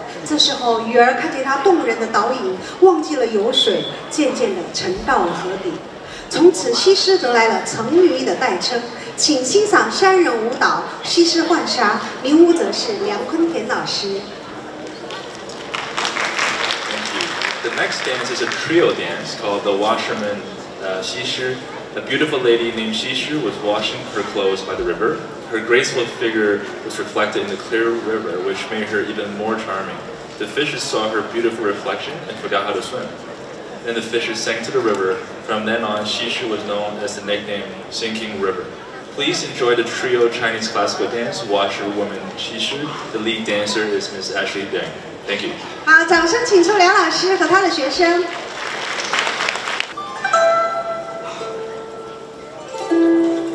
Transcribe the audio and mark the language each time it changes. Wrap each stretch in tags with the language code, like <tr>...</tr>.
<zh>这时候鱼儿看见她动人的倒影，忘记了游水，渐渐地沉到了河底。从此西施得来了沉鱼的代称。请欣赏三人舞蹈西施浣纱，领舞者是梁坤田老师。</zh> <en>The next dance is a trio dance called The Washerman Xi Shi. A beautiful lady named Xi Shi was washing her clothes by the river. Her graceful figure was reflected in the clear river, which made her even more charming. The fishes saw her beautiful reflection and forgot how to swim. Then the fishes sank to the river. From then on, Xi Shi was known as the nickname Sinking River. Please enjoy the trio Chinese classical dance, Washerwoman Xi Shi. The lead dancer is Ms. Ashley Deng. Thank you.</en> <zh>好，掌声请出梁老师和他的学生。</zh>